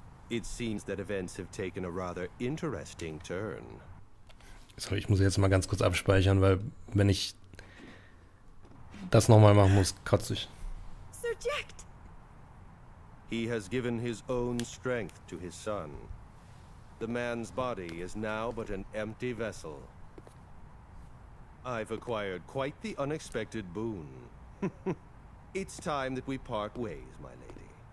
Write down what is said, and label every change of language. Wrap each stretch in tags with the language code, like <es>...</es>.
<en>It seems that events have taken a rather interesting turn.</en> <de>So, ich muss jetzt mal ganz kurz abspeichern, weil wenn ich das nochmal machen muss, kotze ich.</de> <en>Sir Jack. He has given his own strength to his son. The man's body is now but an empty vessel. I've acquired quite the unexpected boon. It's time that we part ways, my lady.</en>